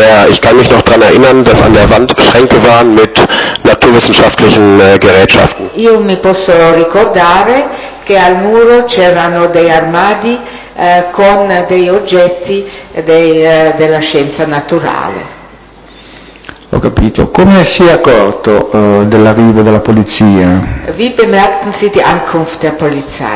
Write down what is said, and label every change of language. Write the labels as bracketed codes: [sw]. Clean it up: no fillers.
[de] Ich kann mich noch daran erinnern, dass an der Wand Schränke waren mit naturwissenschaftlichen Gerätschaften. [it] Io mi posso ricordare che al muro c'erano dei armadi con dei oggetti della scienza naturale. Ho capito. Come si è accorto dell'arrivo della polizia? [de] Wie bemerkten Sie die Ankunft der Polizei?